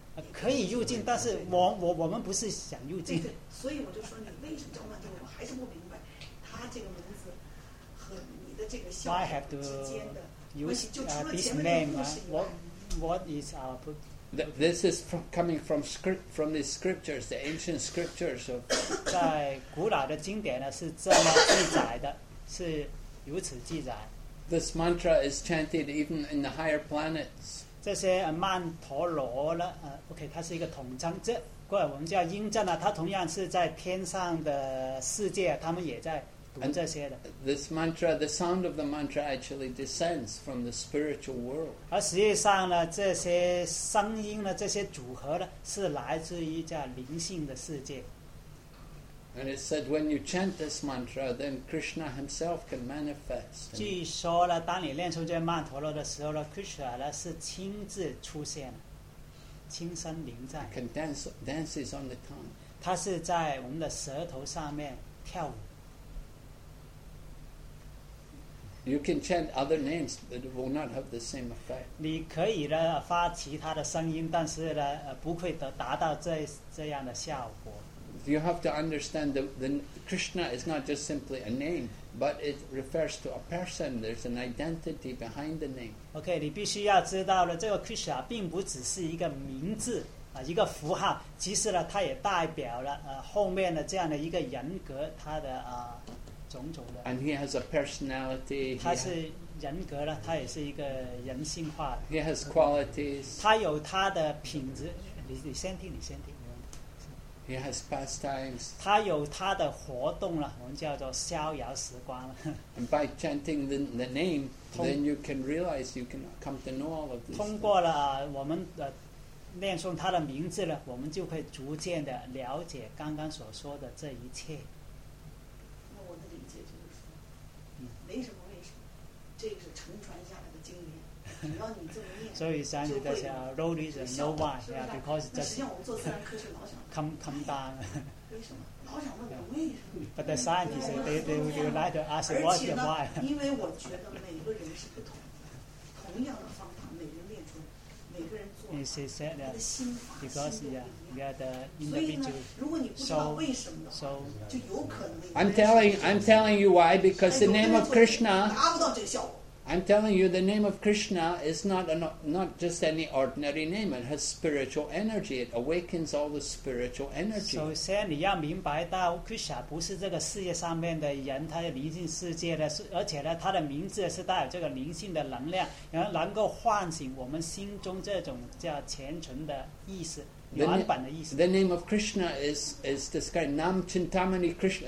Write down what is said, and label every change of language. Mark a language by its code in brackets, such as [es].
[zh] 可以入境，但是我们不是想入境。对对，所以我就说，你为什么叫曼陀罗？我还是不明白，他这个名字和你的这个效果之间的关系。就除了前面的故事以外 [en] ，What is our book? This is coming from the scriptures, the ancient scriptures. [zh] 在古老的经典呢是这么记载的，是如此记载。 [en] This mantra is chanted even in the higher planets. [zh] 这些曼陀罗呢，OK， 它是一个统称，这过来我们叫音阵呢，它同样是在天上的世界，他们也在读这些的。 [en] This mantra, the sound of the mantra actually descends from the spiritual world. [zh] 而实际上呢，这些声音呢，这些组合呢，是来自于叫灵性的世界。 [en] And it said, when you chant this mantra, then Krishna himself can manifest. [zh] 据说呢，当你念出这曼陀罗的时候呢 ，Krishna 呢是亲自出现，亲身临在。 [en] Can dances on the tongue. [zh] 他是在我们的舌头上面跳舞。 [en] You can chant other names, but it will not have the same effect. [zh] 你可以呢发其他的声音，但是呢，不会达到这样的效果。 [en] You have to understand that the Krishna is not just simply a name, but it refers to a person. There's an identity behind the name. [zh] Okay, 你必须要知道了，这个 Krishna 并不只是一个名字啊，一个符号。其实呢，它也代表了后面的这样的一个人格，他的种种的。 [en] And he has a personality. [zh] 他是人格了，他也是一个人性化的。 [en] He has qualities. [zh] 他有他的品质。你先听。 [en] He has pastimes. [zh] 他有他的活动了，我们叫做逍遥时光了。 [en] And by chanting the name, then you can realize you can come to know all of this. [zh] 通过了我们念诵他的名字了，我们就会逐渐的了解刚刚所说的这一切。那我的理解就是说，没什么为什么，这是承传下来的经典。所以像你这些 [en] no reason, no why, yeah, because just come down. [zh] 为什么？老想问我为什么？ [en] But the scientists, they would like to ask what's the why. [zh] 因为我觉得每个人是不同的，同样的方法，每人练出，每个人做，他的心法、心都不一样。所以呢，如果你不知道为什么的话，就有可能。 [en] I'm telling you why, because the name of Krishna. [zh] 达不到这个效果。 [en] I'm telling you, the name of Krishna is not just any ordinary name. It has spiritual energy. It awakens all the spiritual energy. [zh] 首先，你要明白到 Krishna 不是这个世界上面的人，他是灵性世界的，而且呢，他的名字是带有这个灵性的能量，然后能够唤醒我们心中这种叫虔诚的意识。 [en] The name of Krishna is described Nam Chintamani Krishna.